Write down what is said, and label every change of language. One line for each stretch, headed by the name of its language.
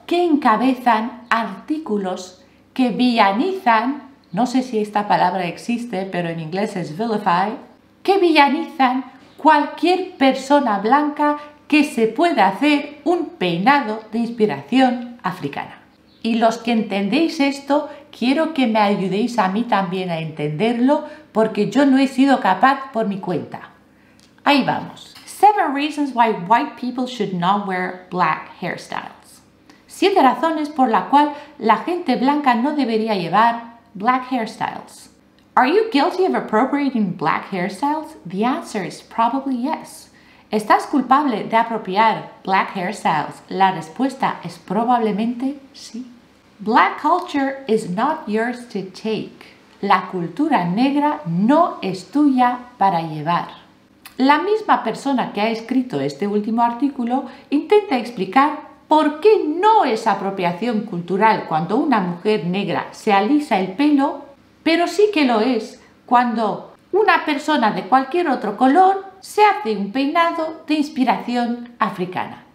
Spanish: que encabezan artículos que villanizan, no sé si esta palabra existe, pero en inglés es vilify, que villanizan cualquier persona blanca que se pueda hacer un peinado de inspiración africana. Y los que entendéis esto, quiero que me ayudéis a mí también a entenderlo, porque yo no he sido capaz por mi cuenta. Ahí vamos.
English: 7 reasons why white people should not wear black hairstyles.
Spanish: 7 razones por la cual la gente blanca no debería llevar
English: black hairstyles. Are you guilty of appropriating black hairstyles? The answer is probably yes.
Spanish: ¿Estás culpable de apropiar
English: black hairstyles?
Spanish: La respuesta es probablemente sí.
English: Black culture is not yours to take.
Spanish: La cultura negra no es tuya para llevar. La misma persona que ha escrito este último artículo intenta explicar por qué no es apropiación cultural cuando una mujer negra se alisa el pelo, pero sí que lo es cuando una persona de cualquier otro color se hace un peinado de inspiración africana.